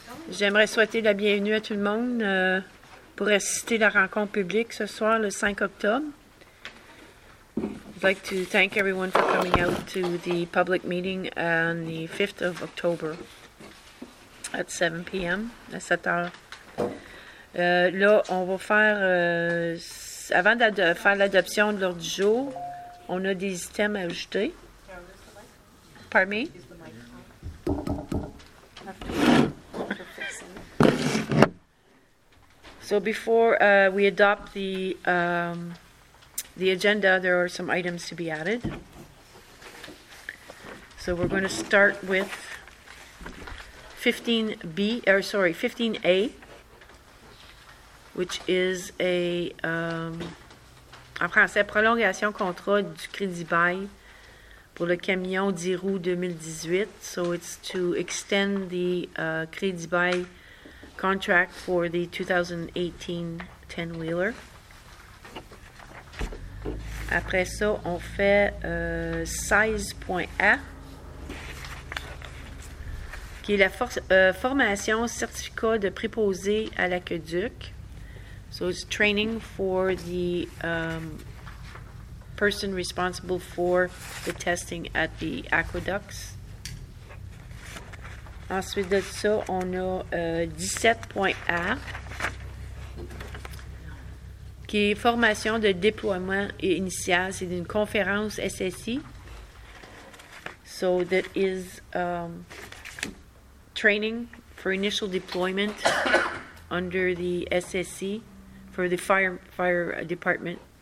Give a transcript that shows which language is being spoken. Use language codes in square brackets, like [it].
[fr] J'aimerais souhaiter la bienvenue à tout le monde pour assister à la rencontre publique ce soir, le 5 octobre. [en] I'd like to thank everyone for coming out to the public meeting on the 5th of October at 7 p.m. [fr] à 7 heures. Là, on va faire, avant de faire l'adoption de l'ordre du jour, on a des items à ajouter. [en] Pardon me? So before we adopt the agenda, there are some items to be added. So we're going to start with 15A, which is a [fr] en français prolongation contrat du crédit bail pour le camion 10 roues 2018. [en] So it's to extend the crédit bail contract for the 2018 10-wheeler. [fr] Après ça, on fait 16.A, qui est la formation certificat de préposé à l'aqueduc. [en] So it's training for the person responsible for the testing at the aqueducts. [fr] Ensuite de ça, on a 17.A, qui est formation de déploiement initial. C'est une conférence SSI. [en] So that is training for initial deployment under the SSI for the fire department.